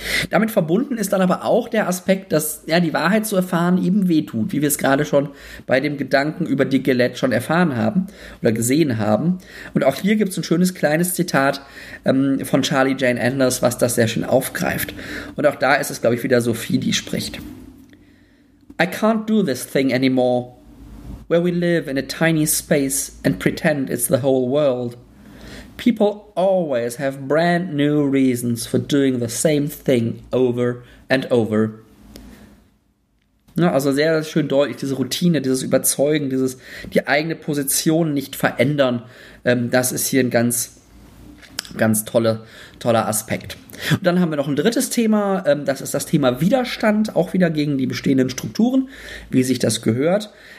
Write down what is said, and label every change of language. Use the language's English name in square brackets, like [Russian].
[German] Damit verbunden ist dann aber auch der Aspekt, dass ja, die Wahrheit zu erfahren eben wehtut, wie wir es gerade schon bei dem Gedanken über die Galette schon erfahren haben oder gesehen haben. Und auch hier gibt es ein schönes kleines Zitat von Charlie Jane Anders, was das sehr schön aufgreift. Und auch da ist es, glaube ich, wieder Sophie, die spricht. [English] I can't do this thing anymore, where we live in a tiny space and pretend it's the whole world. People always have brand new reasons for doing the same thing over and over. [German] Ja, also sehr schön deutlich, diese Routine, dieses Überzeugen, dieses die eigene Position nicht verändern, das ist hier ein ganz, ganz toller Aspekt. Und dann haben wir noch ein drittes Thema, das ist das Thema Widerstand, auch wieder gegen die bestehenden Strukturen, wie sich das gehört.